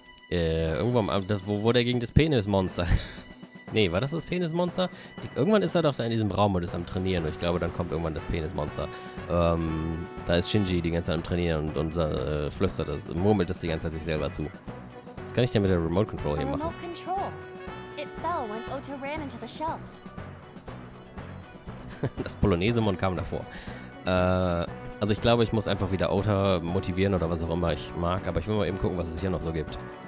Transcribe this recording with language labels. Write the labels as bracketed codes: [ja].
[de] Irgendwo am Anfang, wo wurde er gegen das Penismonster? Nee, war das Penismonster? Irgendwann ist er doch da in diesem Raum und ist am Trainieren. Und ich glaube, dann kommt irgendwann das Penismonster. Da ist Shinji die ganze Zeit am Trainieren und flüstert das, murmelt das die ganze Zeit sich selber zu. Was kann ich denn mit der Remote Control hier machen? [en] Remote Control. It fell when Ota ran into the shelf. [de] Das Polonesemon kam davor. Also ich glaube, ich muss einfach wieder Ota motivieren oder was auch immer ich mag, aber ich will mal eben gucken, was es hier noch so gibt.